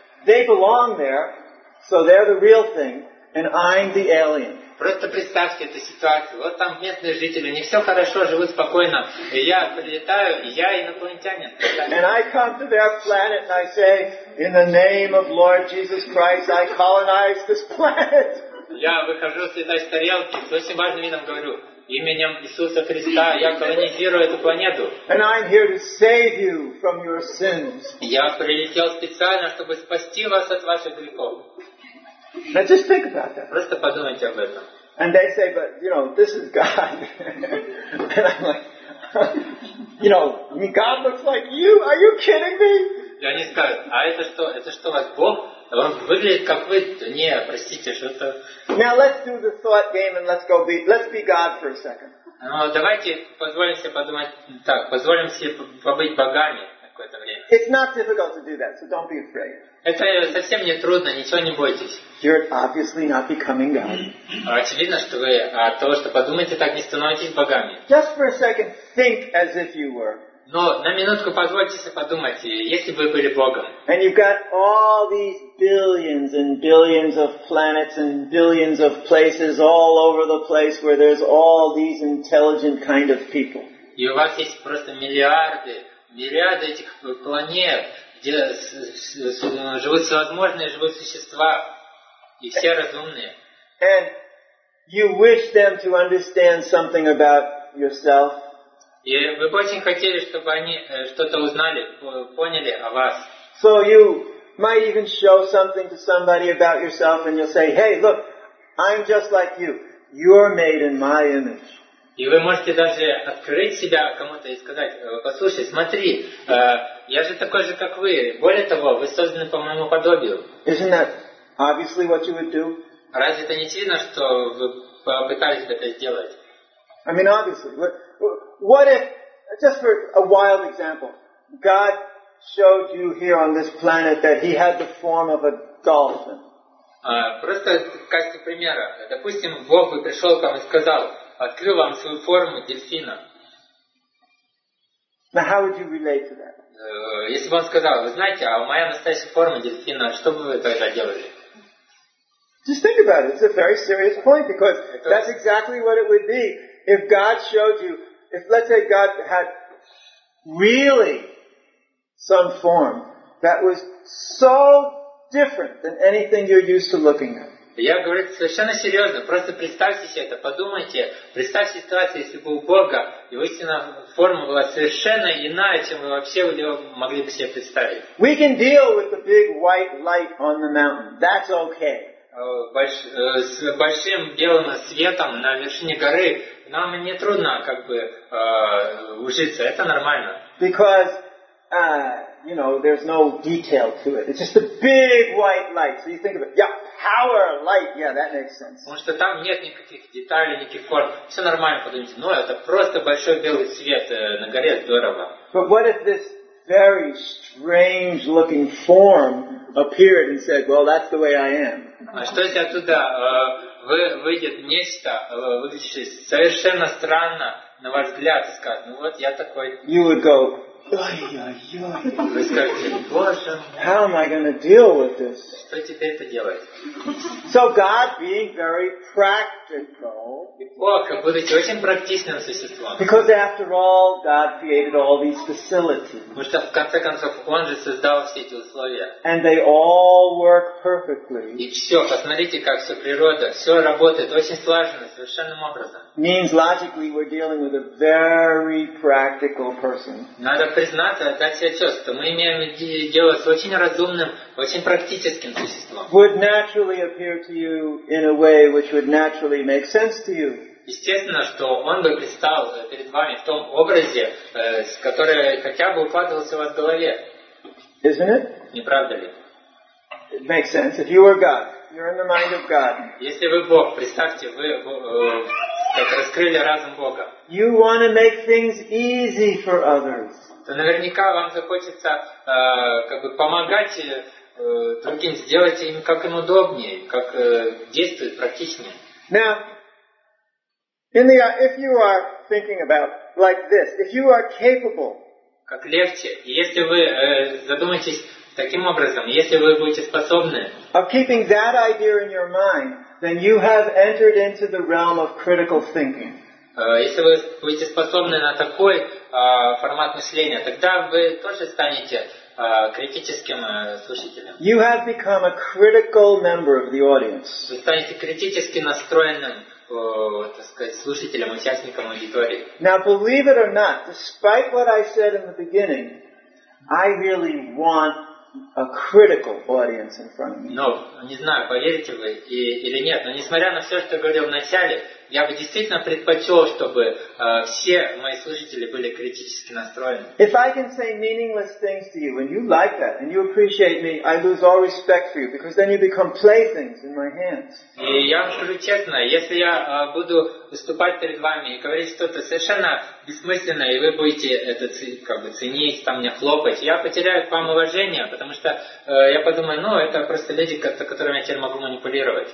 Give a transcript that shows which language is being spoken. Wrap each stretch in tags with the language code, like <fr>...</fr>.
<en>They belong there, so they're the real thing, and I'm the alien.</en> <ru>Просто представьте эту ситуацию. Вот там местные жители, они все хорошо, живут спокойно. И я прилетаю, и я инопланетянин.</ru> <en>And I come to their planet and I say, in the name of Lord Jesus Christ, I colonize this planet.</en> <ru>Я выхожу с этой тарелки с очень важным видом говорю. Именем Иисуса Христа я колонизирую эту планету.</ru> <en>And I'm here to save you from your sins.</en> <ru>Я прилетел специально, чтобы спасти вас от ваших грехов.</ru> <en>Now just think about that.</en> <ru>Просто подумайте об этом.</ru> <en>And they say, but you know, this is God. And I'm like, you know, I mean, God looks like you. Are you kidding me?</en> <ru>И они скажут, а это что? Это что, у вас Бог? Он выглядит как вы? Не, простите, что-то.</ru> <en>Now let's do the thought game and let's be God for a second.</en> <ru>Ну, давайте позволим себе подумать так, позволим себе побыть богами какое-то время.</ru> <en>It's not difficult to do that, so don't be afraid.</en> <ru>Это совсем не трудно, ничего не бойтесь.</ru> <en>You're obviously not becoming God.</en> <ru>Очевидно, что вы от того, что подумаете так, не становитесь богами.</ru> <en>Just for a second, think as if you were.</en> <ru>Но на минутку позвольте себе подумать, если бы вы были Богом.</ru> <en>And you've got all these billions and billions of planets and billions of places all over the place where there's all these intelligent kind of people.</en> <ru>И у вас есть просто миллиарды, миллиарды этих планет, где живут всевозможные живые существа, и все разумные.</ru> <en>And you wish them to understand something about yourself.</en> <ru>И вы бы очень хотели, чтобы они что-то узнали, поняли о вас.</ru> <en>So you might even show something to somebody about yourself, and you'll say, "Hey, look, I'm just like you. You're made in my image."</en> <ru>И вы можете даже открыть себя кому-то и сказать: "Послушай, смотри, я же такой же, как вы. Более того, вы созданы по моему подобию."</ru> <en>Isn't that obviously what you would do?</en> <ru>Разве это не очевидно, что вы попытались бы это сделать?</ru> <en>I mean, obviously. What if, just for a wild example, God showed you here on this planet that He had the form of a dolphin?</en> <ru>Просто в качестве примера, допустим, Бог бы пришел к вам и сказал, открыл вам свою форму дельфина.</ru> <en>Now how would you relate to that?</en> <ru>Если бы он сказал, вы знаете, а моя настоящая форма дельфина, что бы вы тогда делали?</ru> <en>Just think about it. It's a very serious point because that's exactly what it would be if God showed you. If let's say God had really some form that was so different than anything you're used to looking at.</en> <ru>Я говорю совершенно серьезно. Просто представьте себе это. Подумайте. Представьте ситуацию, если бы у Бога его истинная форма была совершенно иная, чем вы вообще ее могли бы себе представить.</ru> <en>We can deal with the big white light on the mountain. That's okay.</en> <ru>С большим белым светом на вершине горы нам не трудно как бы ужиться, это нормально.</ru> <en>Because you know, there's no detail to it. It's just a big white light. So you think of it. Yeah, power light. Yeah, that makes sense.</en> <ru>Потому что там нет никаких деталей, никаких форм. Все нормально, подумайте. Ну, это просто большой белый свет на горе, здорово.</ru> <en>But what if this very strange-looking form appeared and said, "Well, that's the way I am"?</en> <ru>А что если оттуда выйдет нечто, выглядящее совершенно странно, на ваш взгляд, и скажет, ну вот я такой.</ru> <en>You would go, ой-ой-ой.</en> <ru>Вы скажете, боже мой.</ru> <en>How am I going to deal with this?</en> <ru>Что теперь это делать?</ru> <en>So God being very practical.</en> <ru>Бог, будучи очень практичным существом.</ru> <en>Because after all, God created all these facilities.</en> <ru>Потому что, в конце концов, Он же создал все эти условия.</ru> <en>And they all work perfectly.</en> <ru>И все, посмотрите, как все природа, все работает очень слаженно, совершенным образом.</ru> <en>Means logically we're dealing with a very practical person.</en> <ru>Надо признаться, дать себе отчет, что мы имеем дело с очень разумным, очень практическим существом.</ru> <en>Would naturally appear to you in a way which would naturally make sense to you.</en> <ru>Естественно, что он бы предстал перед вами в том образе, который хотя бы укладывался у вас в голове.</ru> <en>Isn't it?</en> <ru>Не правда ли?</ru> <en>It makes sense. If you were God, you're in the mind of God.</en> <ru>Если вы Бог, представьте, вы как раскрыли разум Бога.</ru> <en>You want to make things easy for others.</en> <ru>То наверняка вам захочется как бы помогать другим, сделать им как им удобнее, как действовать практичнее.</ru> <en>Now, in the if you are thinking about like this, if you are capable,</en> <ru>как легче, если вы задумаетесь таким образом, если вы будете способны,</ru> <en>of keeping that idea in your mind, then you have entered into the realm of critical thinking.</en> <ru>Если вы будете способны на такой формат мышления, тогда вы тоже станете критическим слушателем.</ru> <en>You have become a critical member of the audience.</en> <ru>Вы станете критически настроенным, так сказать, слушателем, участником аудитории.</ru> <en>Now, believe it or not, despite what I said in the beginning, I really want a critical audience in front of me.</en> <ru>Но не знаю, поверите вы или нет, но несмотря на все, что я говорил в начале, я бы действительно предпочел, чтобы все мои слушатели были критически настроены.</ru> <en>If I can say meaningless things to you and you like that and you appreciate me, I lose all respect for you because then you become playthings in my hands.</en> <ru>И я вам скажу честно, если я буду выступать перед вами и говорить что-то совершенно бессмысленное, и вы будете это как бы ценить, там мне хлопать, я потеряю к вам уважение, потому что я подумаю, ну это просто люди, которыми я теперь могу манипулировать.</ru>